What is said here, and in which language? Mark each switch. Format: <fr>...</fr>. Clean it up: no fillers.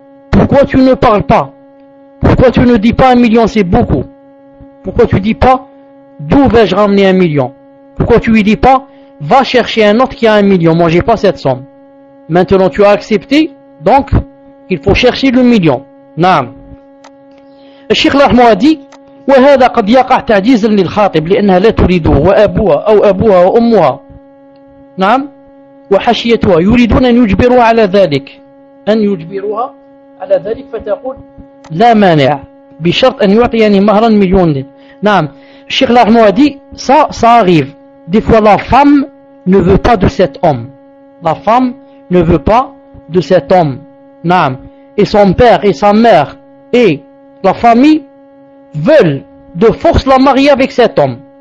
<fr>Pourquoi tu ne parles pas? Pourquoi tu ne dis pas 1 million, c'est beaucoup? Pourquoi tu dis pas d'où vais-je ramener 1 million? Pourquoi tu lui dis pas va chercher un autre qui a 1 million? Moi j'ai pas cette somme. Maintenant tu as accepté, donc il faut chercher le million. Naam. Le Cheikh Lahmo a dit</fr> <ar>وَهَذَا قَدْ يَقَعْ تَعْدِيزًا لِلْخَاطِبِ لِأَنَّهَا لَا تُرِيدُهُ وَأَبُوهَا أَوْ أَبُوهَا وَأُمُّهَا نعم وَحَشِيَتُهَا يريدون أن يجبروها على ذلك أن يجبروها على ذلك فتقول لا مانع بشرط أن يعطيني مهرا مليون دين. نعم الشيخ لحمو</ar> <fr>a dit ça arrive des fois la femme ne veut pas de cet homme, la femme ne veut pas de cet homme, نعم, et son père et sa mère et la famille veulent de force la marier avec cet homme.</fr>